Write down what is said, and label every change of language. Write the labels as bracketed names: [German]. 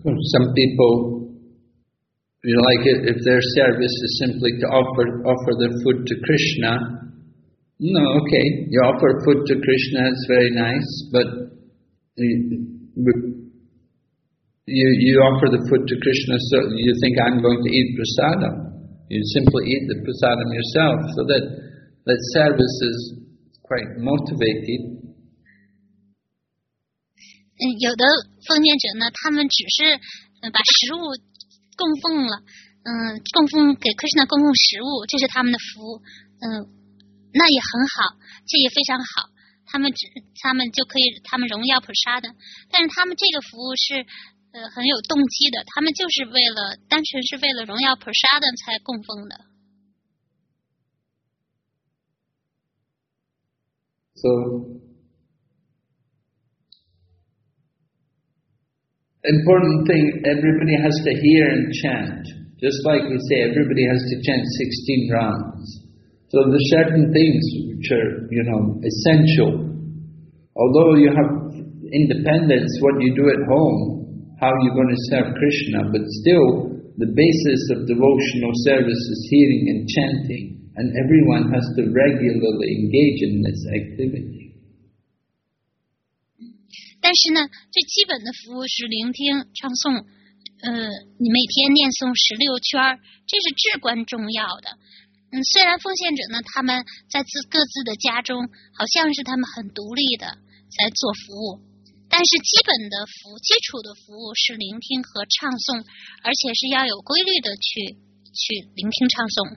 [English] Some people, you know, like if their service is simply to offer their food to Krishna, no, okay, you offer food to Krishna, it's very nice, but you offer the food to Krishna, so you think I'm going to eat prasada. You simply eat the prasadam yourself, so that service is. Quite motivated. [Chinese] 有的奉献者呢，他们只是把食物供奉了，供奉给 Krishna 供奉食物，这是他们的服务，那也很好，这也非常好，他们荣耀普沙的，但是他们这个服务是很有动机的，他们就是为了单纯是为了荣耀普沙的才供奉的。 [English] So, important thing, everybody has to hear and chant. Just like we say, everybody has to chant 16 rounds. So the certain things which are, you know, essential. Although you have independence, what you do at home, how you're going to serve Krishna, but still, the basis of devotional service is hearing and chanting. and everyone has to regularly engage in this activity. [Chinese] 但是呢，最基本的服务是聆听、唱诵。你每天念诵十六圈，这是至关重要的。虽然奉献者呢，他们在各自的家中，好像是他们很独立的在做服务，但是基础的服务是聆听和唱诵，而且是要有规律的去聆听唱诵。